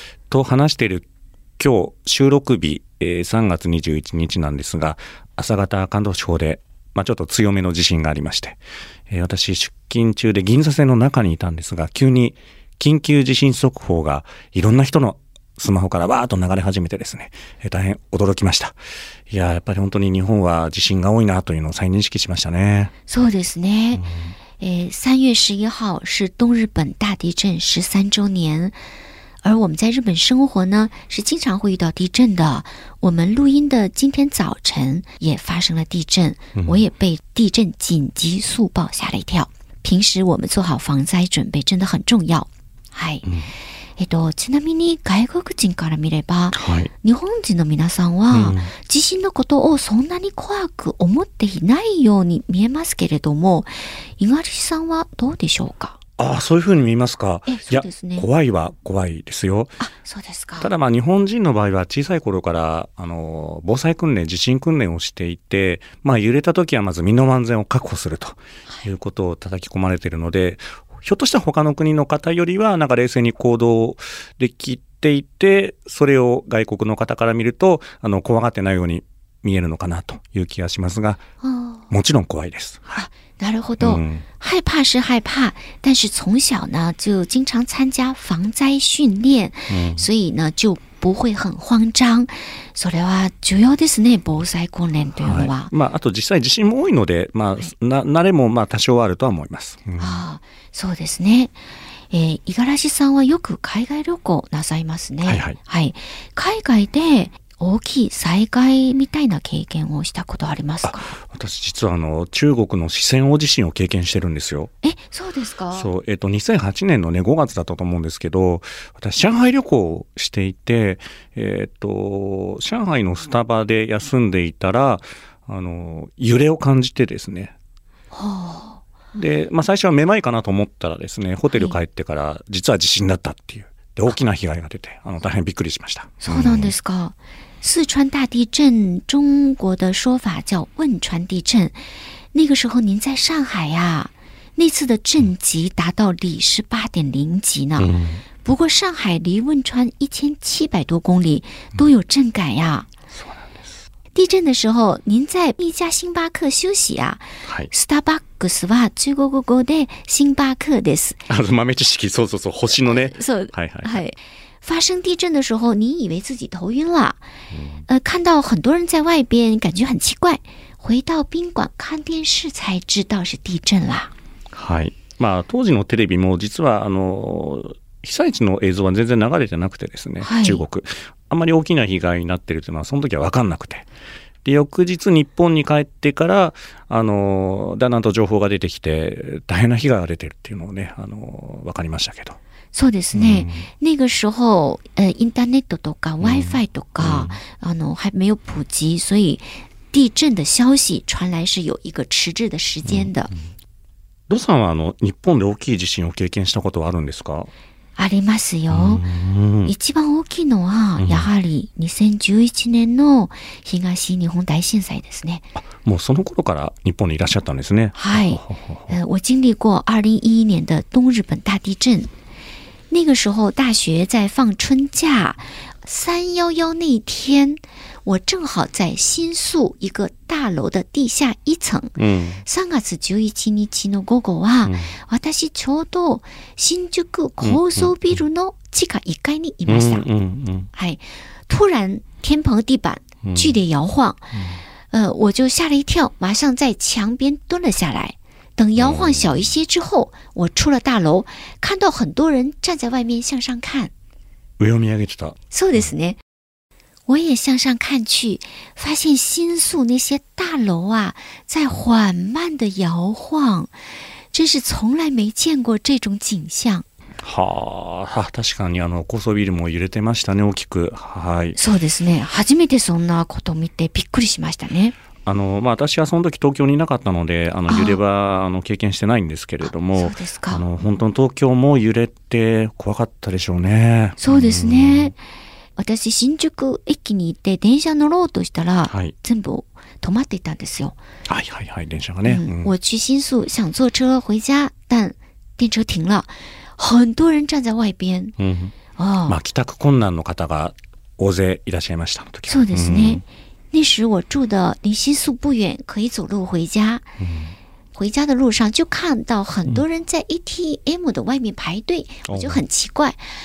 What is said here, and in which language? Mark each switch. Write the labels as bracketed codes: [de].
[ja] と話している今日収録日、3月21日なんですが、朝方関東地方で、ちょっと強めの地震がありまして、私出勤中で銀座線の中にいたんですが、急に緊急地震速報がいろんな人のスマホからわーっと流れ始めてですね、大変驚きました。いや、やっぱり本当に日本は地震が多いなというのを再認識しましたね。そうですね、 [zh] 3月11号是东日本大地震13周年。而我们在日本生活呢，是经常会遇到地震的。我们录音的今天早晨也发生了地震，我也被地震紧急速报吓了一跳。平时我们做好防灾准备真的很重要。 [ja] 嗨，ちなみに外国人から見れば、日本人の皆さんは地震のことをそんなに怖く思っていないように見えますけれども、五十嵐さんはどうでしょうか。ああ、そういうふうに見ますか。そうですね。いや、怖いは怖いですよ。あ、そうですか。ただ日本人の場合は小さい頃から、防災訓練、地震訓練をしていて、揺れた時はまず身の安全を確保するということを叩き込まれているので、ひょっとしたら他の国の方よりは、冷静に行動できていて、それを外国の方から見ると、怖がってないように見えるのかなという気がしますが、もちろん怖いです。 [zh] なるほど、害怕是害怕，但是从小呢就经常参加防灾训练，所以呢就不会很慌张。 [ja] それは重要ですね、防災訓練というのは。はい、あと実際地震も多いので、慣れも多少あるとは思います。そうですね。五十嵐さんはよく海外旅行なさいますね。はい、海外で大きい災害みたいな経験をしたことありますか。私実は中国の四川大地震を経験してるんですよ。え、そうですか。そう、2008年の、5月だったと思うんですけど、私上海旅行をしていて、上海のスタバで休んでいたら、揺れを感じてですね、で、最初はめまいかなと思ったらですね、ホテル帰ってから実は地震だったっていう、で大きな被害が出て、大変びっくりしました。そうなんですか。 [zh] 四川大地震、中国的说法叫汶川地震。那个时候您在上海呀，那次的震级达到里氏8.0级呢。不过上海离汶川1700多公里，都有震感呀。 [ja] そうなんです。 [zh] 地震的时候，您在一家星巴克休息啊。 [ja] スターバックスは中国語で星巴克です。豆知識、そうそうそう、星のね。そう。はいはい。はい。 [zh] 发生地震的时候，你以为自己头晕了，看到很多人在外边，感觉很奇怪。回到宾馆看电视，才知道是地震啦。 [ja] はい、当時のテレビも実は被災地の映像は全然流れてなくてですね、中国、あんまり大きな被害になってるというのはその時は分かんなくて、で翌日日本に帰ってからだんだんと情報が出てきて、大変な被害が出てるっていうのをね、分かりましたけど。そうですね。 [zh] 那个时候， [ja] インターネットとか Wi-Fi とか、 [zh] 还没有普及，所以地震的消息传来是有一个迟滞的时间的。 [ja] ドさんは日本で大きい地震を経験したことはあるんですか？ありますよ。一番大きいのはやはり2011年の東日本大震災ですね。もうその頃から日本にいらっしゃったんですね。はい。 [zh] 我经历过2011年的东日本大地震。那个时候大学在放春假，311那天，我正好在新宿一个大楼的地下一层。 [ja] 3月11日の午後は、私ちょうど新宿高層ビルの地下1階にいました。 [zh] はい、突然天棚地板剧烈摇晃，我就吓了一跳，马上在墙边蹲了下来。等摇晃小一些之后，我出了大楼，看到很多人站在外面向上看。 [ja] 上を見上げてた。そうですね。 [zh] 我也向上看去，发现新宿那些大楼啊，在缓慢的摇晃，真是从来没见过这种景象。 [ja] はあ、確かにあの高層ビルも揺れてましたね、大きく。はい。そうですね。初めてそんなことを見てびっくりしましたね。あの、まあ、私はその時東京にいなかったので、あの揺れはあの経験してないんですけれども、そうですか、あの本当に東京も揺れて怖かったでしょうね。そうですね、私新宿駅に行って電車乗ろうとしたら、はい、全部止まっていたんですよ。はいはいはい、電車がね、うん、 [zh] 我去新宿想坐车回家但电车停了很多人站在外边、 [ja] うん、ああ、まあ、帰宅困難の方が大勢いらっしゃいましたの時。そうですね、うん、 [zh] 那时我住的离新宿不远可以走路回家、うん、回家的路上就看到很多人在 ATM 的外面排队、うん、我就很奇怪、